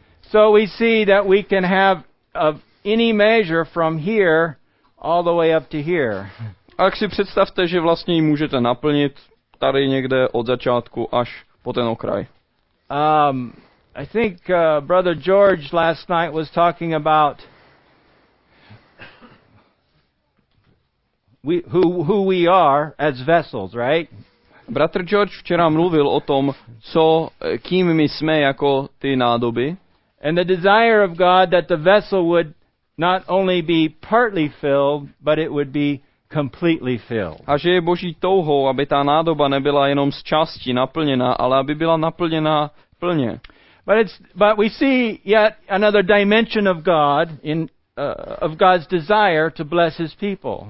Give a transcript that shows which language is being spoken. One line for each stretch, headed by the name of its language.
English: So we see that we can have of any measure from here all the way up to here.
Czech: A tak si představte, že vlastně ji můžete naplnit tady někde od začátku až po ten okraj.
English: I think brother George last night was talking about who we are as vessels, right?
Czech: Bratr George včera mluvil o tom, co kým my jsme jako ty nádoby.
English: And the desire of God that the vessel would not only be partly filled, but it would be completely filled.
Czech: A že je Boží touhou, aby ta nádoba nebyla jenom z části naplněna, ale aby byla naplněna plně.
English: But we see yet another dimension of God in of God's desire to bless his people.